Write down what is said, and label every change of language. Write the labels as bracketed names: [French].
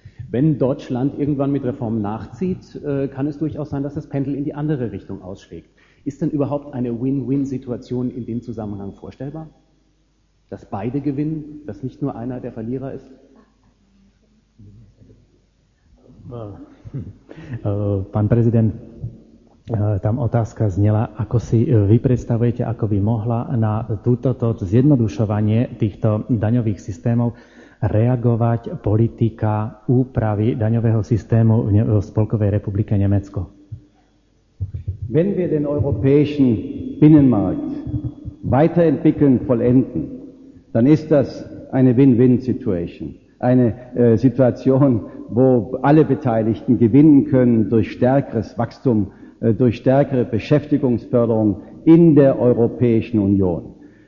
[German] Wenn Deutschland irgendwann mit Reformen nachzieht, kann es durchaus sein, dass das Pendel in die andere Richtung ausschlägt. Ist denn überhaupt eine Win-Win-Situation in dem Zusammenhang vorstellbar? Dass beide gewinnen, dass nicht nur einer der Verlierer ist? [Slovak] Pán prezident, tam otázka znela, ako si vy predstavujete, ako by mohla na túto zjednodušovanie týchto daňových systémov reagovať politika úpravy daňového systému v Spolkovej republike Nemecko. [German] Wenn wir den europäischen Binnenmarkt weiterentwickeln, vollenden, dann ist das eine Win-Win-Situation. Eine Situation, wo alle Beteiligten gewinnen können durch stärkeres Wachstum, durch stärkere Beschäftigungsförderung in der Europäischen Union.